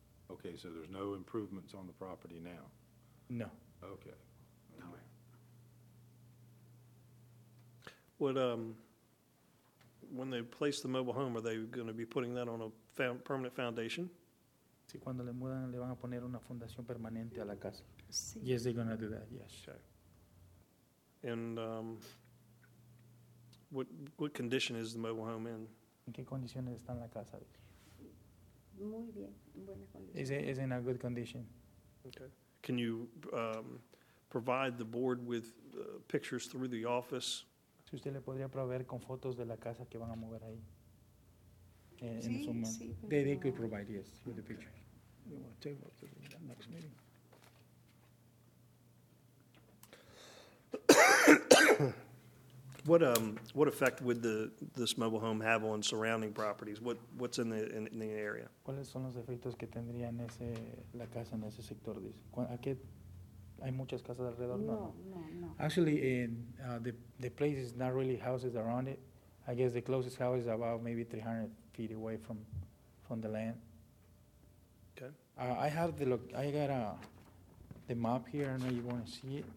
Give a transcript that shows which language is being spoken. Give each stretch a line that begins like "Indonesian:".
English: Okay, so there's no improvements on the property now? No. Okay. When they place the mobile home, are they going to be putting that on a permanent foundation?
Spanish: Sí, cuando le mudan, le van a poner una fundación permanente a la casa.
English: Yes, they're going to do that, yes. Okay. And what condition is the mobile home in?
Spanish: ¿En qué condiciones está la casa? Muy bien, buena condición.
English: Is it in a good condition? Okay. Can you provide the board with pictures through the office?
Spanish: Si usted le podría proveer con fotos de la casa que van a mover ahí. Sí, sí.
English: They could provide, yes, with the picture. We want to table to the next meeting. What effect would this mobile home have on surrounding properties? What's in the area?
Spanish: ¿Cuáles son los efectos que tendría en ese la casa en ese sector? ¿Hay muchas casas alrededor? No.
English: Actually, the place is not really houses around it. I guess the closest house is about maybe 300 feet away from the land. Okay. I have the look. I got the map here. I know you want to see it.